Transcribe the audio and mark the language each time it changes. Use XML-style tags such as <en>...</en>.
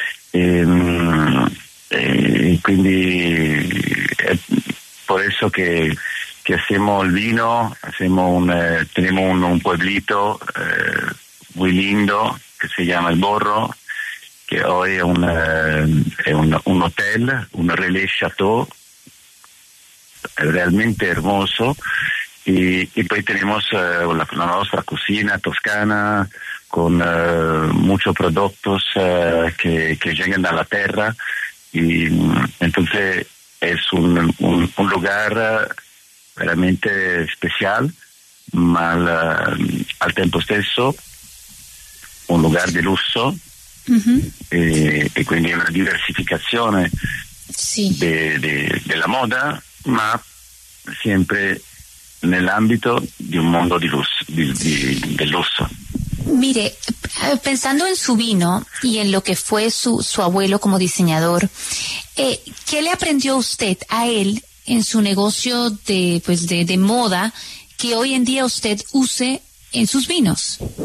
<it>Quindi è per questo che facciamo il vino, abbiamo un pueblito molto lindo che si chiama Il Borro, che oggi è un hotel, un relais chateau</it> <es>realmente hermoso. Y pues tenemos la nuestra cocina toscana con muchos productos que llegan a la tierra, y entonces es un lugar realmente especial, mal al tiempo stesso un lugar de lusso. Uh-huh. Y quindi una diversificación, sí,</es> <it>de la moda, ma siempre nell'ambito di un mondo di lusso, del lusso.</it> <es>Mire, pensando en su vino y en lo que fue su abuelo como diseñador, ¿qué le aprendió usted a él en su negocio de moda que hoy en día usted use en sus vinos?</es>